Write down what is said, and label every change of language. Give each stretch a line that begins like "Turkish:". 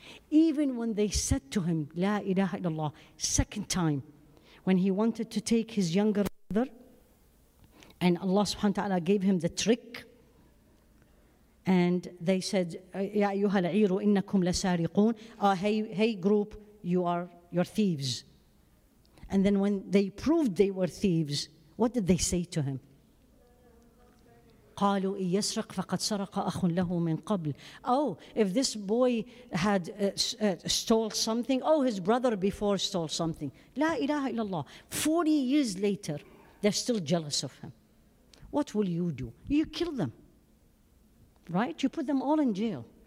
English: Even when they said to him,
Arabic: La ilaha illallah,
English: second time, when he wanted to take his younger brother, and Allah subhanahu wa ta'ala gave him the trick, and they said,
Arabic: Ya ayyuhal iru innakum lasariqoon,
English: hey group, you're thieves. And then when they proved they were thieves, what did they say to him?
Arabic: قالوا إن يسرق فقد سرق أخ له من قبل.
English: Oh, if this boy had stole something, oh, his brother before stole something.
Arabic: لا إله إلا الله.
English: 40 years later, they're still jealous of him. What will you do? You kill them, right? You put them all in jail.